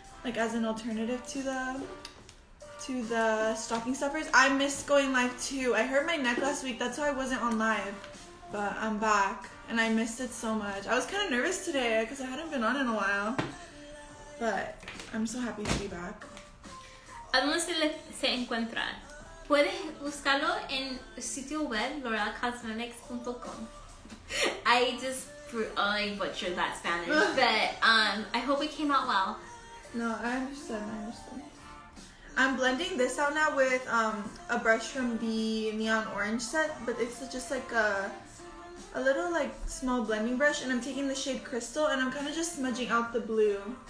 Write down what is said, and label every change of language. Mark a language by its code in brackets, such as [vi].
[en] Like as an alternative to the stocking stuffers. I miss going live too. I hurt my neck last week, that's why I wasn't on live. But I'm back and I missed it so much. I was kind of nervous today because I hadn't been on in a while. But I'm so happy to be back. [es] ¿A dónde se encuentra? Puedes buscarlo en sitio web lorellacosmetics.com. [en] I just brutally butchered that Spanish, but I hope it came out well. No, I understand. I'm blending this out now with a brush from the Neon Orange set, but it's just like a little like small blending brush, and I'm taking the shade Crystal, and I'm kind of just smudging out the blue.